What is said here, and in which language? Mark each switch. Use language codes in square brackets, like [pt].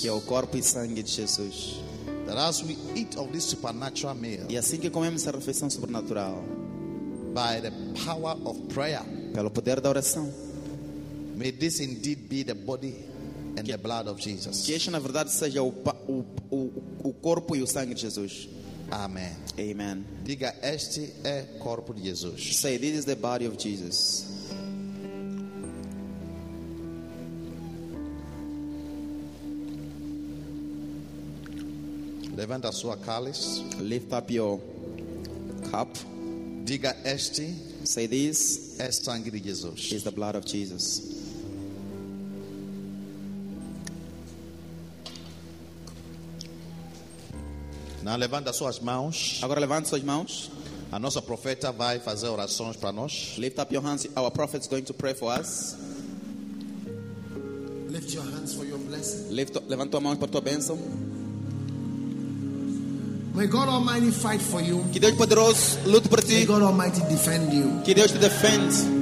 [pt] que é o corpo e sangue de Jesus. [en] That as we eat of this supernatural meal, [pt] e assim que comemos a refeição sobrenatural, [en] by the power of prayer, [pt] pelo poder da oração. [en] May this indeed be the body and the blood of Jesus. [pt] Que este na verdade seja o corpo e o sangue de Jesus. [en] Amen. [pt] Amen. Diga, este é o corpo de Jesus. [en] Say, this is the body of Jesus. [pt] Levanta a sua cálice. [en] Lift up your cup. [pt] Diga, este. [en] Say, this. [pt] É sangue de Jesus. [en] Is the blood of Jesus. [pt] Não, levanta suas mãos. Agora levanta suas mãos. A nossa profeta vai fazer orações para nós. [en] Lift up your hands. Our prophet is going to pray for us. Lift your hands for your blessing. [pt] Levanta tua mão para tua bênção. [en] May God Almighty fight for you. [pt] Que Deus poderoso lute por ti. [en] May God Almighty defend you. [pt] Que Deus te defenda.